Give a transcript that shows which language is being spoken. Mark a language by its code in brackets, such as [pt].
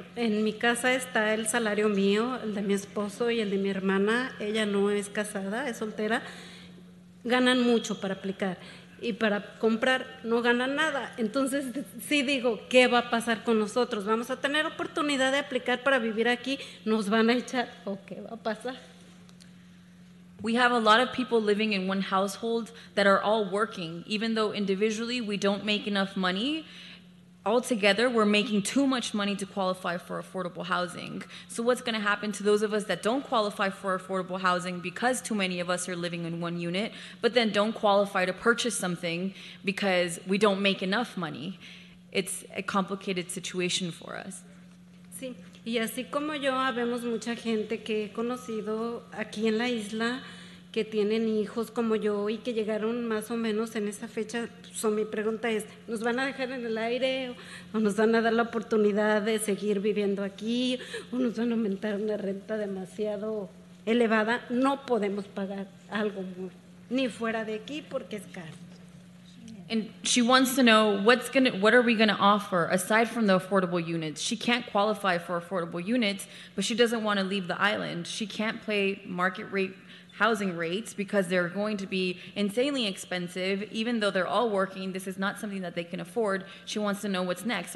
[es] En mi casa está el salario mío, el de mi esposo y el de mi hermana. Ella no es casada, es soltera. Ganan mucho para aplicar. Y para comprar no ganan nada. Entonces, sí digo, ¿qué va a pasar con nosotros? ¿Vamos a tener oportunidad de aplicar para vivir aquí? ¿Nos van a echar? ¿O qué va a pasar? [en] We have a lot of people living in one household that are all working. Even though individually we don't make enough money, altogether we're making too much money to qualify for affordable housing. So what's going to happen to those of us that don't qualify for affordable housing because too many of us are living in one unit, but then don't qualify to purchase something because we don't make enough money? It's a complicated situation for us. [es] Sí. Y así como yo, habemos mucha gente que he conocido aquí en la isla que tienen hijos como yo y que llegaron más o menos en esa fecha. So mi pregunta es, ¿nos van a dejar en el aire o nos van a dar la oportunidad de seguir viviendo aquí o nos van a aumentar una renta demasiado elevada? No podemos pagar algo muy, ni fuera de aquí porque es caro. [en] And she wants to know, what are we going to offer aside from the affordable units? She can't qualify for affordable units, but she doesn't want to leave the island. She can't pay market rate housing rates because they're going to be insanely expensive. Even though they're all working, this is not something that they can afford. She wants to know what's next.